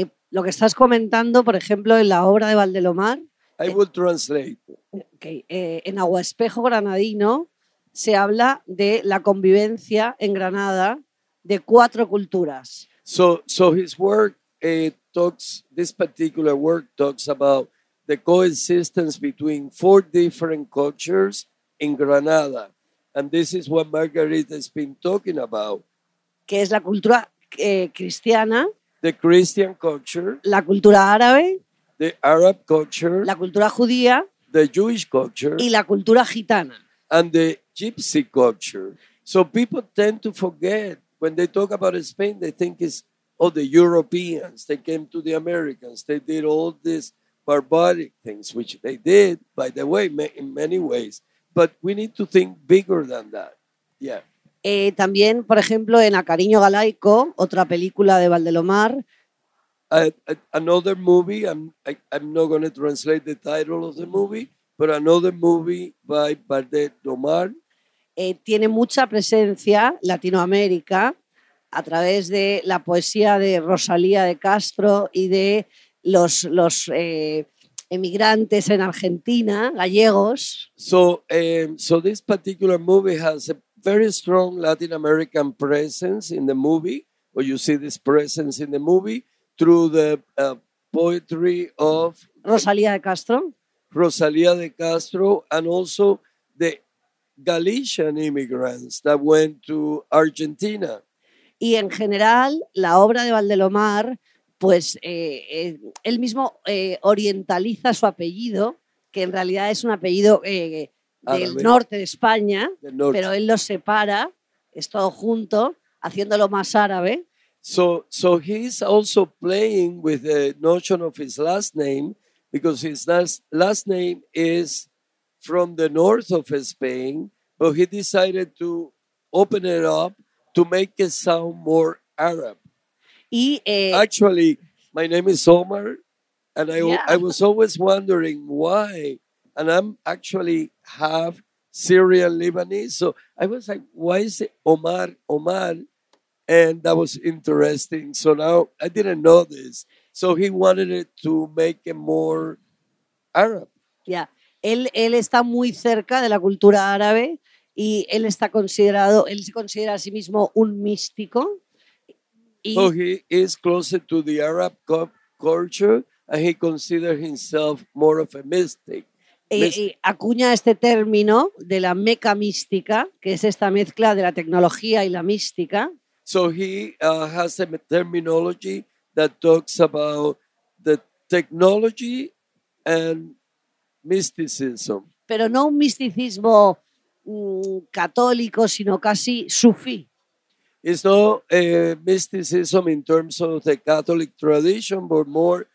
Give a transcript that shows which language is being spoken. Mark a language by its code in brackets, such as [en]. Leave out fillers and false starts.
[es] Lo que estás comentando, por ejemplo, en la obra de Valdelomar... [en] I will translate. [es] Okay, en Aguaespejo Granadino se habla de la convivencia en Granada de cuatro culturas. [en] So his work talks, this particular work talks about the coexistence between four different cultures in Granada. And this is what Margarita has been talking about. [es] Que es la cultura cristiana. [en] The Christian culture. [es] La cultura árabe. [en] The Arab culture. [es] La cultura judía. [en] The Jewish culture. [es] Y la cultura gitana. [en] And the gypsy culture. So people tend to forget, when they talk about Spain, they think it's the Europeans. They came to the Americans. They did all these barbaric things, which they did, by the way, in many ways. But we need to think bigger than that. Yeah. [es] También, por ejemplo, en A Cariño Galaico, otra película de Valdelomar. [en] Another movie, I'm not going to translate the title of the movie, but another movie by Valdelomar. [es] Tiene mucha presencia Latinoamérica a través de la poesía de Rosalía de Castro y de los emigrantes en Argentina, gallegos. [en] So this particular movie has a very strong Latin American presence in the movie, or you see this presence in the movie through the poetry of Rosalía de Castro. Rosalia de Castro, and also the Galician immigrants that went to Argentina. [es] Y en general, la obra de Valdelomar, pues él mismo orientaliza su apellido, que en realidad es un apellido del norte de España, pero él lo separa, es todo junto, haciéndolo más árabe. [en] So he's also playing with the notion of his last name, because his last name is from the north of Spain, but he decided to open it up to make it sound more Arab. Actually, my name is Omar, and I was always wondering why, and I'm actually half Syrian Lebanese, so I was like, why is it Omar? And that was interesting. So now, I didn't know this. So he wanted it to make it more Arab. Yeah. [es] Él está muy cerca de la cultura árabe y él está considerado, él se considera a sí mismo un místico. [en] So he is closer to the Arab culture and he considers himself more of a mystic. [es] Y acuña este término de la meca mística, que es esta mezcla de la tecnología y la mística. [en] So he has a terminology that talks about the technology and mysticism. [es] Pero no un misticismo católico, sino casi sufí. [en] It's not a mysticism in terms of the Catholic tradition, but more